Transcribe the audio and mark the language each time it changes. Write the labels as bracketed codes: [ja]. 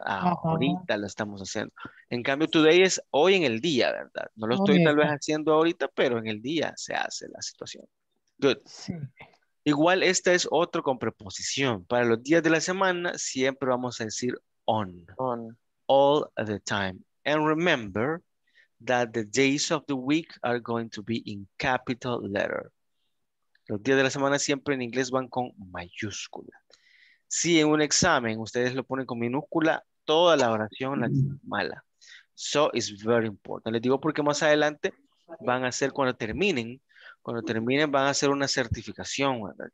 [es] Ahorita lo estamos haciendo. En cambio, today es hoy en el día, ¿verdad? No lo estoy tal vez haciendo ahorita, pero en el día se hace la situación. [en] Good. [es] Sí. Igual, esta es otro con preposición. Para los días de la semana, siempre vamos a decir on. [en] On. All the time. And remember that the days of the week are going to be in capital letter. [es] Los días de la semana siempre en inglés van con mayúscula. Si en un examen ustedes lo ponen con minúscula, toda la oración la tienen mala. [en] So it's very important. [es] Les digo porque más adelante van a hacer cuando terminen van a hacer una certificación, ¿verdad?